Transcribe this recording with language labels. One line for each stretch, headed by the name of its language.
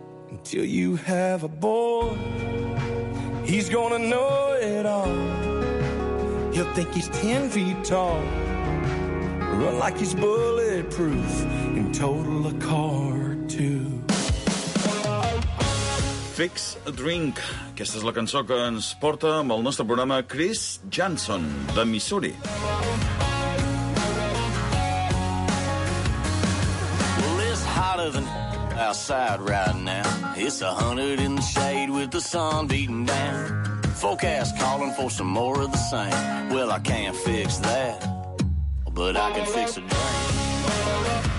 English: Until you have a boy, he's gonna know it all. He'll think he's 10 feet tall. Run like he's bulletproof and total a car. Fix a Drink.
Catalan: Aquesta és la cançó que ens porta amb el nostre programa Chris Johnson, de Missouri.
English: Well, it's hotter than outside right now. It's 100 in the shade with the sun beating down. Forecast calling for some more of the same. Well, I can't fix that, but I can fix a drink.